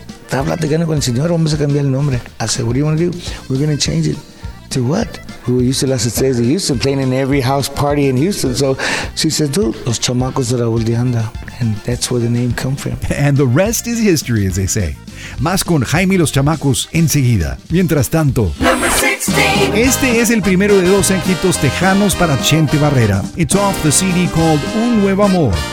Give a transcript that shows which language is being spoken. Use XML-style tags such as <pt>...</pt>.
<es>Está platicando con el señor, vamos a cambiar el nombre.</es> <en>I said, what do you want to do? We're going to change it. To what? We were used to Las Estrellas de Houston, playing in every house party in Houston. So she said, dude, Los Chamacos de Raúl de Anda. And that's where the name come from. And the rest is history, as they say.</en> <es>Más con Jaime Los Chamacos enseguida. Mientras tanto.</es> <en>Number 16.</en> <es>Este es el primero de dos éxitos tejanos para Chente Barrera.</es> <en>It's off the CD called Un Nuevo Amor.</en>